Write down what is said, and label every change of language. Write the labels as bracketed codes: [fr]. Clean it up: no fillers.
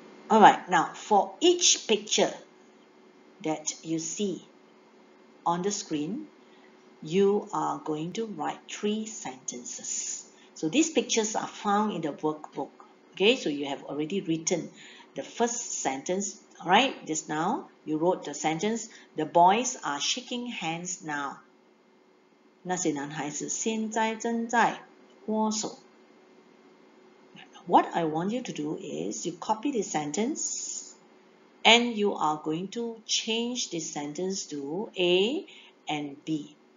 [en] Alright, now for each picture that you see on the screen, you are going to write three sentences. So these pictures are found in the workbook. Okay, so you have already written the first sentence. Alright, just now you wrote the sentence, the boys are shaking hands now. [zh] 那些男孩子现在正在握手. [en] What I want you to do is you copy this sentence and you are going to change this sentence to A and B.